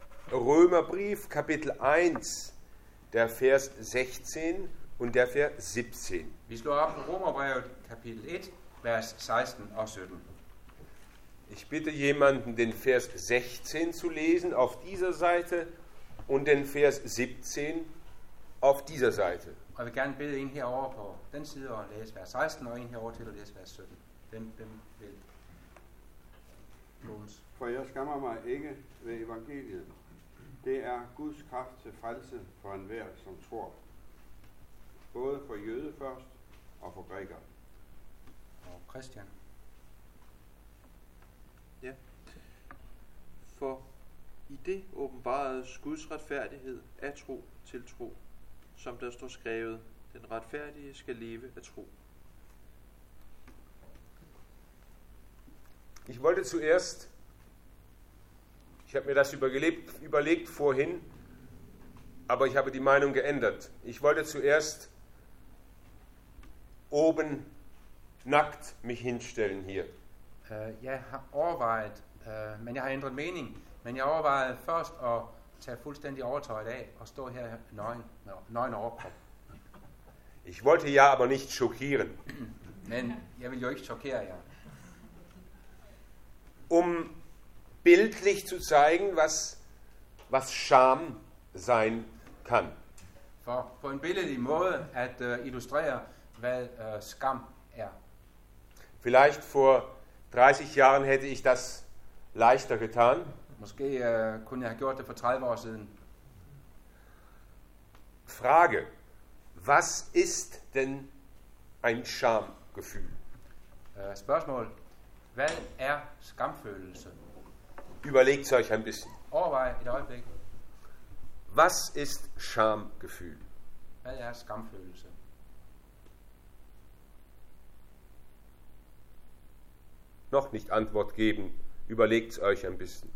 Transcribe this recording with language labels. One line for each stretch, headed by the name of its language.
German: Römerbrief, Kapitel 1, der Vers 16 und der Vers 17.
Danish: Vi slår op på Romerbrevet, Kapitel 1, Vers 16 og 17.
German: Ich bitte jemanden, den Vers 16 zu lesen auf dieser Seite und den Vers 17 auf dieser Seite.
Danish: Og jeg vil gerne bede en herover på den side og læse vers 16 og en herover til at læse vers 17. Hvem vil? Jones. For jeg skammer mig ikke ved evangeliet. Det er Guds kraft til frelse for enhver, som tror. Både for jøde først og for græker. Og Christian. Ja. I det åbenbaredes Guds retfærdighed af tro til tro, som der står skrevet, den retfærdige skal leve af tro.
German: Ich wollte zuerst, ich habe mir das überlegt vorhin, aber ich habe die Meinung geändert. Ich wollte zuerst oben nackt mich hinstellen hier.
Danish: Jeg har overvejet, men jeg har ændret mening, men jeg overvejede først at tage fuldstændig overtøjet af og stå her nøgen overkrop.
German: Ich wollte ja aber nicht schockieren.
Danish: Men jeg vil jo ikke chokere jer.
German: Bildlich zu zeigen, was Scham sein kann.
Danish: For på en billedlig måde at illustrere, hvad skam er.
German: Vielleicht vor 30 Jahren hätte ich das leichter getan.
Danish: Måske kunne jeg have gjort det for 30 år siden.
German: Frage: Was ist denn ein Schamgefühl?
Danish: Spørgsmål: Hvad er skamfølelse?
German: Überlegt euch ein bisschen.
Danish: Overvej et øjeblik.
German: Was ist Schamgefühl?
Danish: Hvad er skamfølelse?
German: Noch nicht Antwort geben. Überlegt euch ein bisschen.